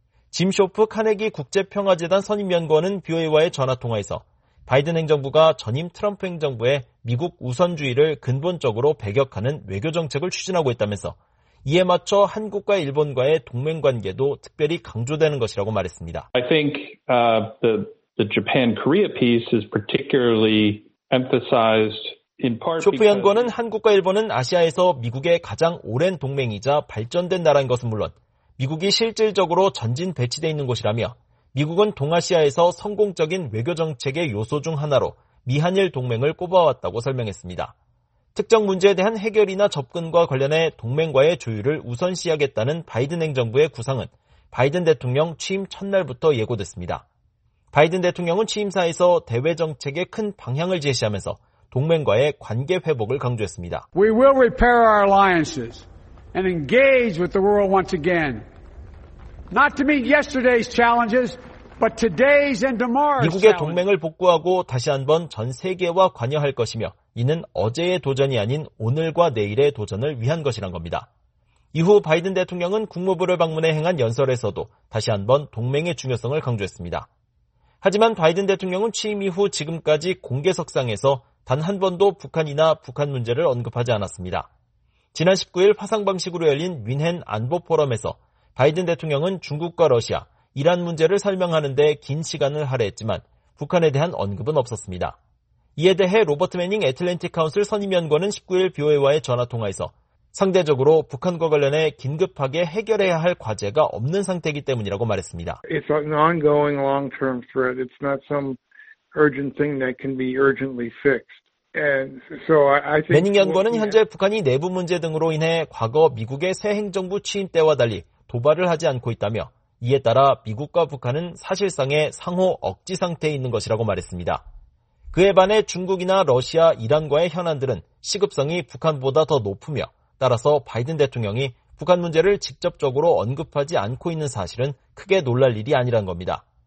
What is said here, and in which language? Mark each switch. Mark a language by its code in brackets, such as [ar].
[ko] 짐 쇼프 카네기 국제평화재단 선임연구원은 BOA와의 전화통화에서 바이든 행정부가 전임 트럼프 행정부의 미국 우선주의를 근본적으로 배격하는 외교정책을 추진하고 있다면서 이에 맞춰 한국과 일본과의 동맹관계도 특별히 강조되는 것이라고 말했습니다. [en] I think the Japan-Korea piece is particularly emphasized in part because [ko] 쇼프 연구원은 한국과 일본은 아시아에서 미국의 가장 오랜 동맹이자 발전된 나라인 것은 물론 미국이 실질적으로 전진 배치되어 있는 곳이라며 미국은 동아시아에서 성공적인 외교정책의 요소 중 하나로 미한일 동맹을 꼽아왔다고 설명했습니다. 특정 문제에 대한 해결이나 접근과 관련해 동맹과의 조율을 우선시하겠다는 바이든 행정부의 구상은 바이든 대통령 취임 첫날부터 예고됐습니다. 바이든 대통령은 취임사에서 대외 정책의 큰 방향을 제시하면서 동맹과의 관계 회복을 강조했습니다. [en] We will repair our alliances and engage with the world once again. Not to meet yesterday's challenges, but today's and tomorrow's challenges. [ko] 미국의 동맹을 복구하고 다시 한번 전 세계와 관여할 것이며 이는 어제의 도전이 아닌 오늘과 내일의 도전을 위한 것이란 겁니다. 이후 바이든 대통령은 국무부를 방문해 행한 연설에서도 다시 한번 동맹의 중요성을 강조했습니다. 하지만 바이든 대통령은 취임 이후 지금까지 공개석상에서 단 한 번도 북한이나 북한 문제를 언급하지 않았습니다. 지난 19일 화상 방식으로 열린 윈헨 안보 포럼에서 바이든 대통령은 중국과 러시아, 이란 문제를 설명하는 데 긴 시간을 할애했지만 북한에 대한 언급은 없었습니다. 이에 대해 로버트 매닝 애틀랜틱 카운슬 선임연구원은 19일 BOA와의 전화통화에서 상대적으로 북한과 관련해 긴급하게 해결해야 할 과제가 없는 상태이기 때문이라고 말했습니다. [en] It's an ongoing long-term threat. It's not some urgent thing that can be urgently fixed. And so I think [ko] 매닝 연구원은 현재 북한이 내부 문제 등으로 인해 과거 미국의 새 행정부 취임 때와 달리 도발을 하지 않고 있다며 이에 따라 미국과 북한은 사실상의 상호 억지 상태에 있는 것이라고 말했습니다. 그에 반해 중국이나 러시아, 이란과의 현안들은 시급성이 북한보다 더 높으며 따라서 바이든 대통령이 북한 문제를 직접적으로 언급하지 않고 있는 사실은 크게 놀랄 일이 아니라는 겁니다.